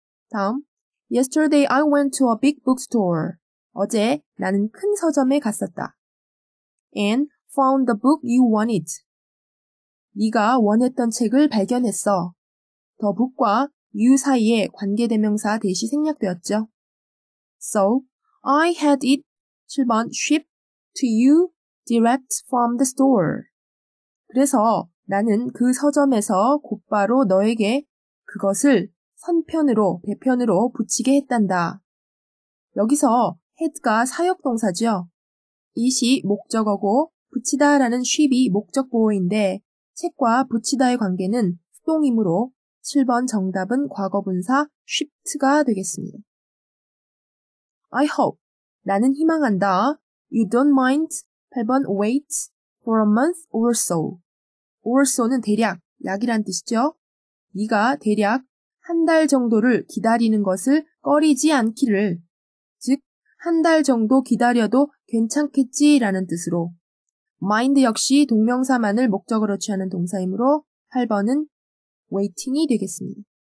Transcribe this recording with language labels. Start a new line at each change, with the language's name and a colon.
Korean: 다음,
English: yesterday I went to a big bookstore.
Korean: 어제 나는 큰 서점에 갔었다.
English: And found the book you wanted.
Korean: 네가 원했던 책을 발견했어. The book과 you 사이에 관계대명사 대시 생략되었죠.
English: So, I had it,
Korean: 7번,
English: shipped to you direct from the store.
Korean: 그래서 나는 그 서점에서 곧바로 너에게 그것을 선편으로, 배편으로 붙이게 했단다. 여기서 had가 사역동사죠. it이 목적어고 붙이다 라는 ship이 목적보호인데 책과 붙이다의 관계는 수동이므로 7번 정답은 과거분사 shipped가 되겠습니다.
English: I hope, 나는 희망한다. You don't mind,
Korean: 8번,
English: wait for a month or so.
Korean: or so는 대략, 약이란 뜻이죠. 네가 대략 한 달 정도를 기다리는 것을 꺼리지 않기를. 즉, 한 달 정도 기다려도 괜찮겠지라는 뜻으로. mind 역시 동명사만을 목적으로 취하는 동사이므로 8번은 waiting이 되겠습니다.